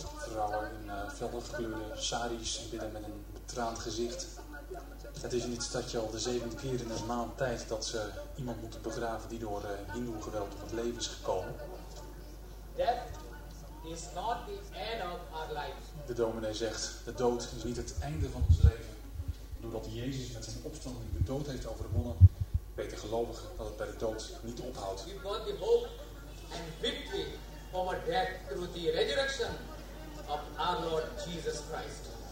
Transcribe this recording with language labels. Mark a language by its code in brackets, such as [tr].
[nl] Vrouwen in felder gekleurde saris bidden met een betraand gezicht. Het is in dit stadje al de zevende keer in een maand tijd dat ze iemand moeten begraven die door Hindoe geweld op het leven is gekomen. [en] Death is not the end of our life. [nl] De dominee zegt, de dood is niet het einde van ons leven. Doordat Jezus met zijn opstanding de dood heeft overwonnen, weet de gelovige dat het bij de dood niet ophoudt. [en] We've got the hope and victory over death through the resurrection of our Lord Jesus Christ.